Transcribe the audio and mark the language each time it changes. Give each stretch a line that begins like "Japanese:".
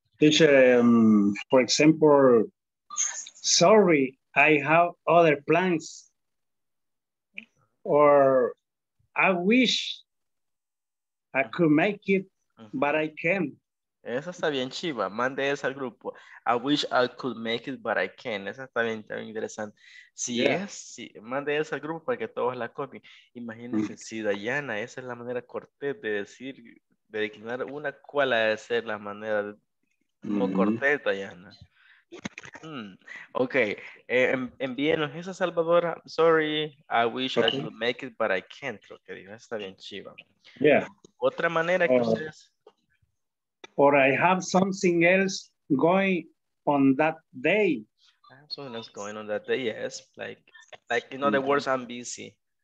English: Dice, for example, sorry, I have other plans, or I wish I could make it, but I can't.
Spanish: Esa está bien chiva, mande esa al grupo.
English: I wish I could make it, but I can't.
Spanish: Esa está bien, está bien interesante. Si
English: yeah.
Spanish: Es, si, mande esa al grupo para que todos la copien. Imagínense, si
English: Dayana,
Spanish: esa es la manera cortés de decir, de declinar una, ¿cuál ha de ser la manera de, como cortés, Dayana?
English: Okay,
Spanish: envíenos esa, Salvadora.
English: Sorry, I wish okay. I could make it, but I can't.
Spanish: Lo que digo, está bien chiva.
English: Yeah.
Spanish: Otra manera que ustedes.
English: Or I have something else going on that day. I have something else going on that day, yes. Like in other words, I'm busy.